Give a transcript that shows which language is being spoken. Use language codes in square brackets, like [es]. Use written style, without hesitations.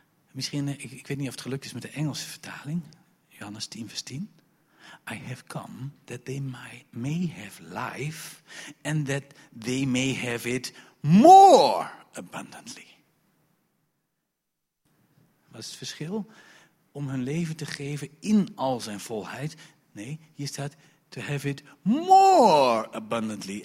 [nl] Misschien, ik weet niet of het gelukt is met de Engelse vertaling. Johannes 10 vers 10. [en] I have come that they may have life. And that they may have it more abundantly. [nl] Wat is het verschil? Om hun leven te geven in al zijn volheid. Nee, hier staat... [en] To have it more abundantly.